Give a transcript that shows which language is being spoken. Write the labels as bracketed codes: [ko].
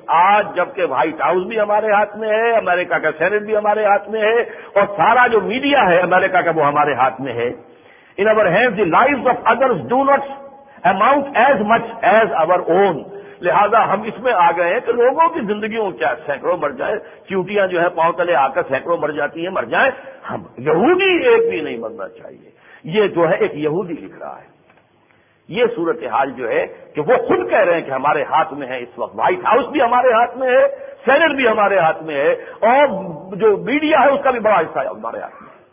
[ur] آج جبکہ white house بھی ہمارے ہاتھ میں ہے, امریکہ کا سینٹ بھی ہمارے ہاتھ میں ہے, اور سارا جو میڈیا ہے امریکہ کا وہ ہمارے ہاتھ میں ہے. [en] In our hands, the lives of others do not amount as much as our own. [ur] لہذا ہم اس میں آ گئے ہیں کہ لوگوں کی زندگیوں کیا سینکڑوں مر جائیں, چیوٹیاں جو ہیں پاؤں تلے آ کر سینکڑوں مر جاتی ہیں, مر جائیں, ہم یہودی ایک بھی نہیں مرنا چاہیے. یہ جو ہے ایک یہودی لکھ رہا ہے, یہ صورتحال جو ہے کہ وہ خود کہہ رہے ہیں کہ ہمارے ہاتھ میں ہے اس وقت, وائٹ ہاؤس بھی ہمارے ہاتھ میں ہے, سینٹ بھی ہمارے ہاتھ میں ہے, اور جو میڈیا ہے اس کا بھی بڑا حصہ ہے ہمارے ہاتھ میں.